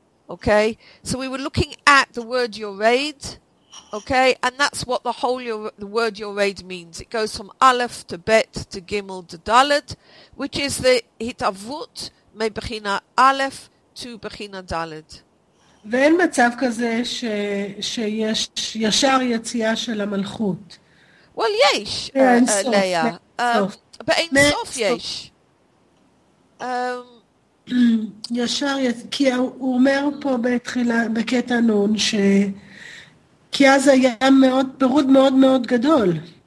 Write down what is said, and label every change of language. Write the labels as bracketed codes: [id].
[en] Okay, so we were looking at the word Yored. Okay, and that's what the word Yored means. It goes from Aleph to Bet to Gimel to Dalet, which is the Hitavut me Bechina Aleph to Bechina Dalet. [he] ואין מצב כזה ש, שיש ישר יציאה של המלכות. Well, יש, Leia. באין סוף יש. ישר, כי הוא אומר פה בתחילה, בקטע נון, ש... כי אז היה מאוד פירוד מאוד מאוד גדול.